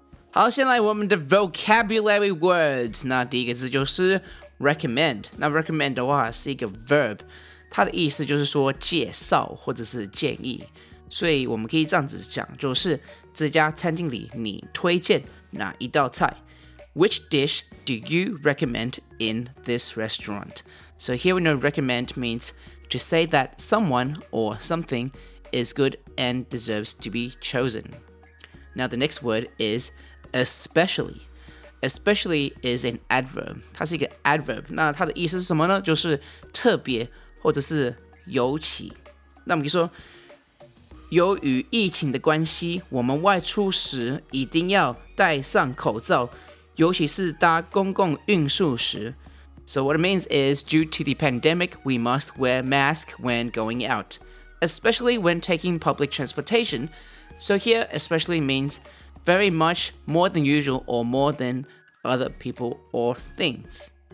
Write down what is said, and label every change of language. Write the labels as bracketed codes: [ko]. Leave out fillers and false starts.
[zh] 好，先来我们的 vocabulary words。那第一个字就是 recommend。那 recommend 的话是一个 verb， 它的意思就是说介绍或者是建议。所以我们可以这样子讲，就是这家餐厅里你推荐哪一道菜？ [en] Which dish do you recommend in this restaurant? So here we know recommend means to say that someone or something is good and deserves to be chosen. Now the next word is especially. Especially is an adverb. [zh] 它是一个 adverb. 那它的意思是什么呢？就是特别或者是尤其。那我们可以说由于疫情的关系，我们外出时一定要戴上口罩，尤其是搭公共运输时。 [en] So what it means is, due to the pandemic, we must wear masks when going out, especially when taking public transportation. So here, especially means very much more than usual or more than other people or things.